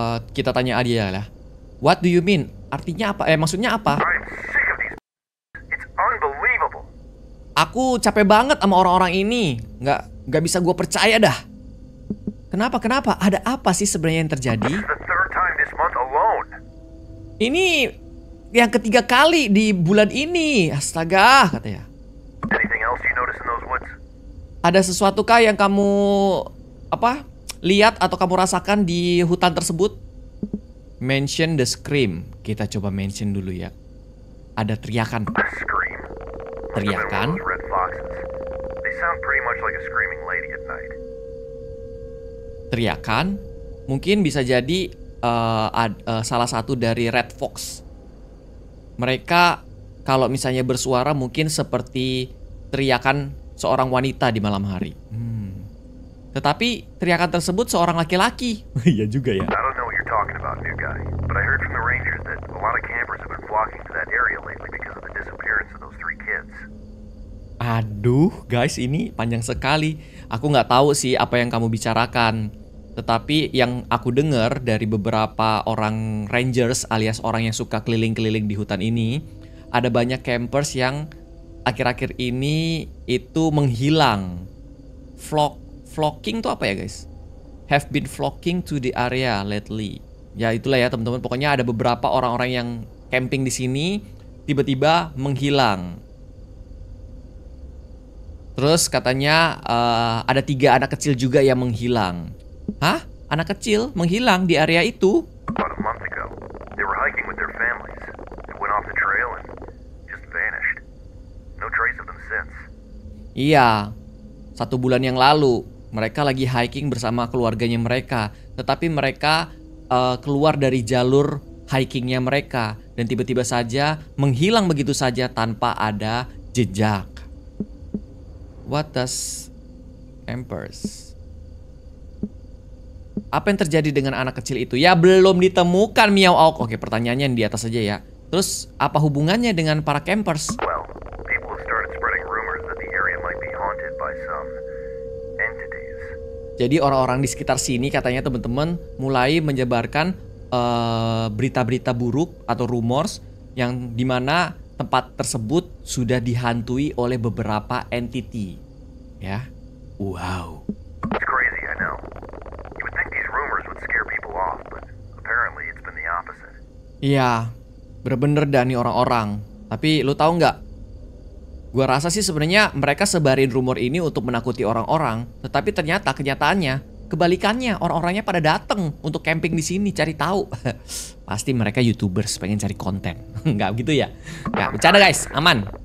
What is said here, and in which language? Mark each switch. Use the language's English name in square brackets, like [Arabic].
[Indonesian] Kita tanya Adia lah. [English] What do you mean? [Indonesian] Artinya apa? Maksudnya apa? [English] I'm sick of these. It's unbelievable. [Indonesian] Aku capek banget sama orang-orang ini. Nggak bisa gue percaya dah. Kenapa? Kenapa? Ada apa sih sebenarnya yang terjadi? [English] This is the third time this month alone. [Indonesian] Ini yang ketiga kali di bulan ini. Astaga, katanya. [English] Anything else you notice in those woods? [Indonesian] Ada sesuatu kah yang kamu apa? Lihat atau kamu rasakan di hutan tersebut? [English] Mention the scream. [Indonesian] Kita coba mention dulu ya. Ada teriakan. [English] A scream. [Indonesian] Teriakan. [English] Red foxes. They sound pretty much like a screaming lady at night. [Indonesian] Teriakan. Mungkin bisa jadi salah satu dari red fox. Mereka kalau misalnya bersuara mungkin seperti teriakan seorang wanita di malam hari. Tetapi teriakan tersebut seorang laki-laki. Iya juga ya. [English] I don't know what you're talking about, new guy. But I heard from the rangers that a lot of campers have been flocking to that area lately because of the disappearance of those three kids. [Indonesian] Aduh, guys, ini panjang sekali. Aku nggak tahu sih apa yang kamu bicarakan. Tetapi yang aku dengar dari beberapa orang rangers alias orang yang suka keliling-keliling di hutan ini, ada banyak campers yang akhir-akhir ini itu menghilang. [English] Flocking [Indonesian] tuh apa ya, [English] guys? Have been flocking to the area lately. [Indonesian] Ya itulah ya teman-teman, pokoknya ada beberapa orang-orang yang camping di sini tiba-tiba menghilang. Terus katanya ada 3 anak kecil juga yang menghilang. Hah? Anak kecil menghilang di area itu? [English] About a month ago, they were hiking with their families. They went off the trail and just vanished. since. [Indonesian] Iya, satu bulan yang lalu mereka lagi hiking bersama keluarganya mereka, tetapi mereka keluar dari jalur hikingnya mereka dan tiba-tiba saja menghilang begitu saja tanpa ada jejak. [English] What does Empress? [Indonesian] Apa yang terjadi dengan anak kecil itu? Ya belum ditemukan, Miao Ok. Oke, pertanyaannya yang di atas aja ya. Terus apa hubungannya dengan para campers? [English] Well, people have started spreading rumors that the area might be haunted by some entities. [Indonesian] Jadi orang-orang di sekitar sini katanya teman-teman mulai menyebarkan berita-berita buruk atau rumors yang di mana tempat tersebut sudah dihantui oleh beberapa entity. Ya. Wow. [English] It's crazy, I know. You would think these rumors would scare people off, but apparently it's been the opposite. [Indonesian] Iya. Bener-bener dah nih orang-orang. Tapi lu tahu nggak? Gua rasa sih sebenarnya mereka sebarin rumor ini untuk menakuti orang-orang. Tetapi ternyata kenyataannya kebalikannya, orang-orangnya pada datang untuk camping di sini cari tahu. Pasti mereka YouTubers pengen cari konten. Nggak gitu ya? Ya bercanda guys, aman.